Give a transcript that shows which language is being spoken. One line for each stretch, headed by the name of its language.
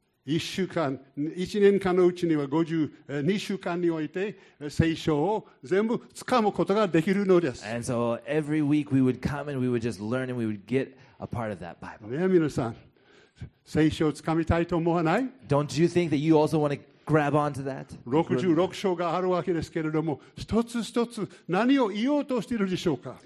Japanese: 1年間のうちには52週間において聖書を全部掴むことができるのです。
English: And so every week we would come and we would just learn and we would get a part of that Bible.
Japanese: ねえ皆さん、聖書を掴みたいと思わない?
English: Don't you think that you also want to grab onto that?
Japanese: 66章があるわけですけれども、一つ一つ何を言おうとしているでしょうか?